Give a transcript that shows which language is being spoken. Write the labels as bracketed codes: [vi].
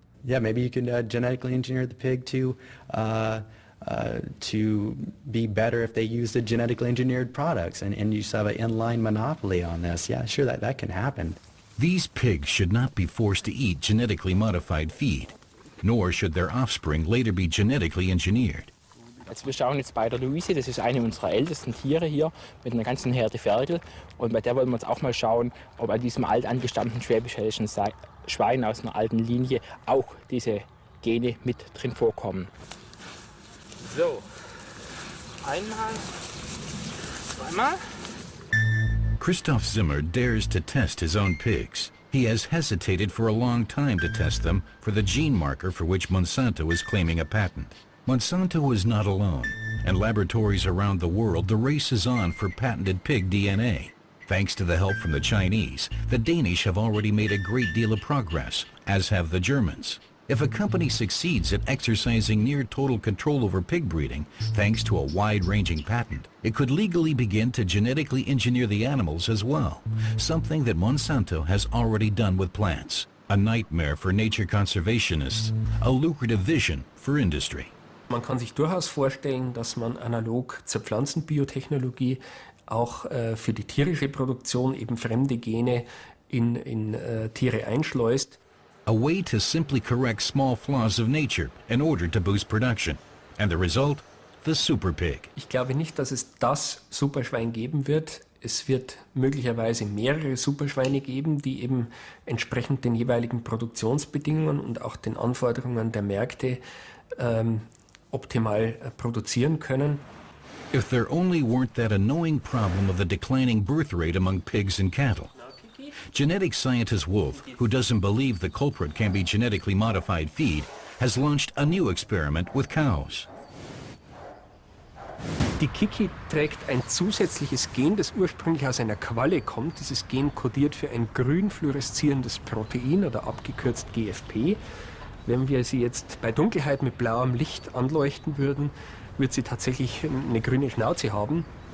[en] Yeah, maybe you can genetically engineer the pig to be better if they use the genetically engineered products, and you have an inline monopoly on this. Yeah, sure, that can happen. These pigs should not be forced to eat genetically modified feed, nor should their offspring later be genetically engineered. [de] Also, wir schauen jetzt bei der Luise, das ist eine unserer ältesten Tiere hier mit einer ganzen Herde Ferkel, und bei der wollen wir uns auch mal schauen, ob an diesem altangestammten schwäbisch-hessischen Schwein aus einer alten Linie auch diese Gene mit drin vorkommen. So, einmal, zweimal. [en] Christoph Zimmer dares to test his own pigs. He has hesitated for a long time to test them for the gene marker for which Monsanto is claiming a patent. Monsanto is not alone, and laboratories around the world, the race is on for patented pig DNA. Thanks to the help from the Chinese, the Danish have already made a great deal of progress, as have the Germans. If a company succeeds in exercising near total control over pig breeding, thanks to a wide-ranging patent, it could legally begin to genetically engineer the animals as well, something that Monsanto has already done with plants. A nightmare for nature conservationists, a lucrative vision for industry. [de] Man kann sich durchaus vorstellen, dass man analog zur Pflanzenbiotechnologie auch für die tierische Produktion eben fremde Gene in Tiere einschleust. [en] A way to simply correct small flaws of nature in order to boost production. And the result? The super pig. [de] Ich glaube nicht, dass es das Superschwein geben wird. Es wird möglicherweise mehrere Superschweine geben, die eben entsprechend den jeweiligen Produktionsbedingungen und auch den Anforderungen der Märkte optimal produzieren können. [en] If there only weren't that annoying problem of the declining birth rate among pigs and cattle. Genetic scientist Wolf, who doesn't believe the culprit can be genetically modified feed, has launched a new experiment with cows. [de] Die Kiki trägt ein zusätzliches Gen, das ursprünglich aus einer Qualle kommt. Dieses Gen kodiert für ein grün fluoreszierendes Protein, oder abgekürzt GFP. Wenn wir sie jetzt bei Dunkelheit mit blauem Licht anleuchten würden, wird sie tatsächlich eine grüne Schnauze haben.